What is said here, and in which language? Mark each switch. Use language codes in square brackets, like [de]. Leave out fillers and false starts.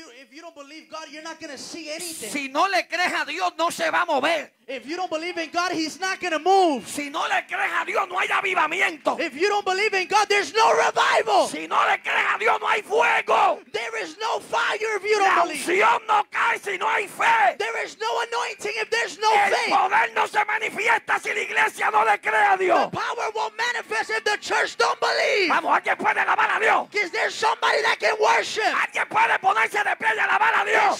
[en] If you don't believe God, you're not going to see anything. [es] Si no le crees a Dios, no se va a mover. [en] If you don't believe in God, he's not going to move. [es] Si no le crees a Dios, no hay avivamiento. [en] If you don't believe in God, there's no revival. [es] Si no le crees a Dios, no hay fuego. [en] There is no fire if you don't [es] la [en] believe. [es] La unción no cae si no hay fe. [en] There is no anointing if there's no [es] el [en] faith. [es] El poder no se manifiesta si la iglesia no le cree a Dios. [en] The power won't manifest if the church don't believe. [es] Vamos, ¿alguien puede alabar a Dios? [en] Is there somebody that can worship? [es] ¿Alguien puede ponerse de pie y alabar a Dios?